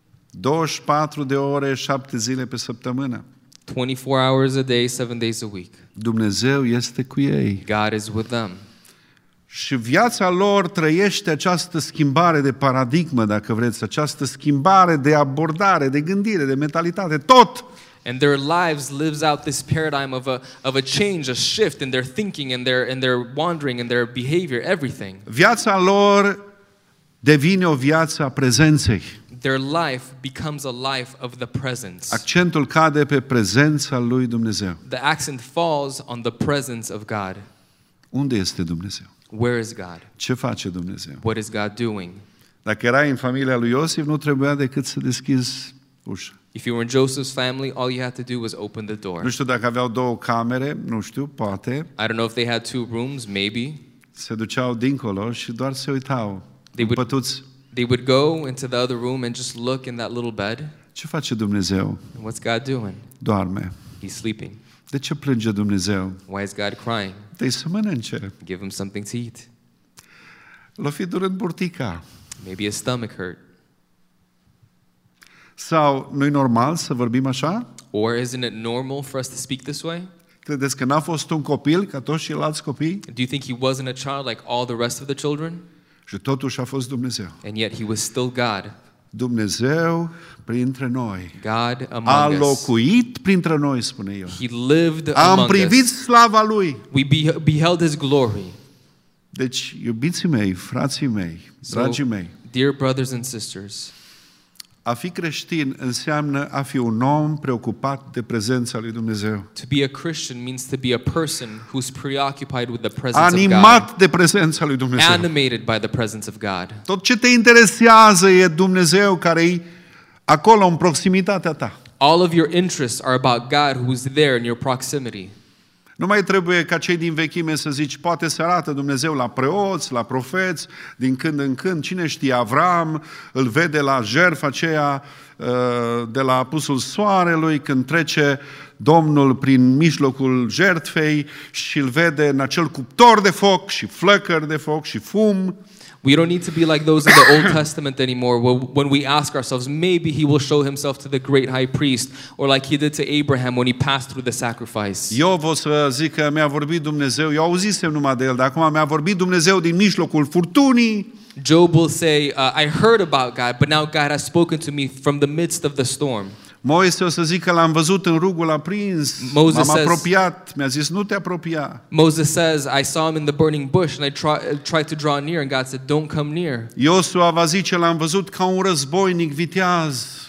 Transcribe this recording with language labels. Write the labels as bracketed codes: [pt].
[ro] 24 de ore, 7 zile pe săptămână. [en] 24 hours a day, 7 days a week. [ro] Dumnezeu este cu ei. [en] God is with them. [ro] Și viața lor trăiește această schimbare de paradigmă, dacă vreți, această schimbare de abordare, de gândire, de mentalitate, tot. [en] And their lives lives out this paradigm of a change, a shift in their thinking and their wandering and their behavior, everything. [ro] Viața lor devine o viață a prezenței. [en] Their life becomes a life of the presence. [ro] Accentul cade pe prezența lui Dumnezeu. [en] The accent falls on the presence of God. [ro] Unde este Dumnezeu? [en] Where is God? [ro] Ce face Dumnezeu? [en] What is God doing? [ro] Dacă erai în familia lui Iosif, nu trebuia decât să deschizi ușa. [en] If you were in Joseph's family, all you had to do was open the door. [ro] Nu știu dacă aveau două camere, nu știu, poate. [en] I don't know if they had two rooms, maybe. [ro] Se duceau dincolo și doar se uitau. [en] They would go into the other room and just look in that little bed. [ro] Ce face Dumnezeu? [en] And what's God doing? [ro] Doarme. [en] He's sleeping. [ro] De ce plânge Dumnezeu? [en] Why is God crying? [ro] Dă-i să mănânce. [en] Give him something to eat. [ro] L-o fi durând burtica. [en] Maybe a stomach hurt. [ro] Sau nu-i normal să vorbim așa? [en] Or isn't it normal for us to speak this way? [ro] Credeți că n-a fost un copil ca toți ceilalți copii? [en] Do you think he wasn't a child like all the rest of the children? [ro] Și totuși a fost Dumnezeu. [en] And yet he was still God. [ro] Dumnezeu printre noi. [en] God among us. [ro] A locuit printre noi, spune eu. [en] He lived among us. [ro] Am privit slava lui. [en] We beheld his glory. [ro] Deci, iubiții mei, frații mei, dragii mei. [en] Dear brothers and sisters. [ro] A fi creștin înseamnă a fi un om preocupat de prezența lui Dumnezeu. [en] To be a Christian means to be a person who's preoccupied with the presence of God. [ro] Animat de prezența lui Dumnezeu. [en] Animated by the presence of God. [ro] Tot ce te interesează e Dumnezeu care e acolo în proximitatea ta. [en] All of your interests are about God who's there in your proximity. [ro] Nu mai trebuie ca cei din vechime să zici, poate se arată Dumnezeu la preoți, la profeți, din când în când. Cine știe, Avram îl vede la jertfa aceea de la apusul soarelui, când trece Domnul prin mijlocul jertfei și îl vede în acel cuptor de foc și flăcări de foc și fum. [en] We don't need to be like those in the Old Testament anymore. When we ask ourselves, maybe he will show himself to the great high priest or like he did to Abraham when he passed through the sacrifice. [ro] Eu vă zic că mi-a vorbit Dumnezeu. Eu auzisem numai de el, dar acum mi-a vorbit Dumnezeu din mijlocul furtunii. [en] Job will say, I heard about God, but now God has spoken to me from the midst of the storm. [ro] Moise o să zic că l-am văzut în rugul aprins, [en] Moses [ro] m-am apropiat, mi-a zis nu te apropia. [en] Moses says, I saw him in the burning bush and I tried to draw near and God said, don't come near. [ro] Iosua va zice, l-am văzut ca un războinic viteaz.